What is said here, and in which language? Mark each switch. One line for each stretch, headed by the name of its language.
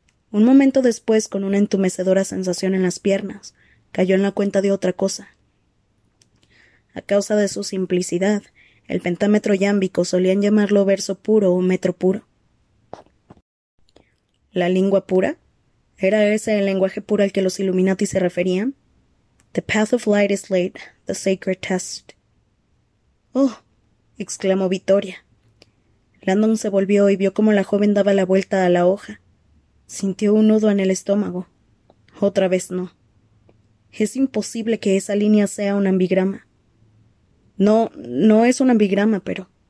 Spanish: Un momento después, con una entumecedora sensación en las piernas, cayó en la cuenta de otra cosa. A causa de su simplicidad, el pentámetro iámbico solían llamarlo verso puro o metro puro. ¿La lengua pura? ¿Era ese el lenguaje puro al que los Illuminati se referían?
English: The path of light is laid, the sacred test.
Spanish: ¡Oh! Exclamó Vittoria. Landon se volvió y vio cómo la joven daba la vuelta a la hoja. Sintió un nudo en el estómago. Otra vez no. Es imposible que esa línea sea un ambigrama. No, no es un ambigrama, pero...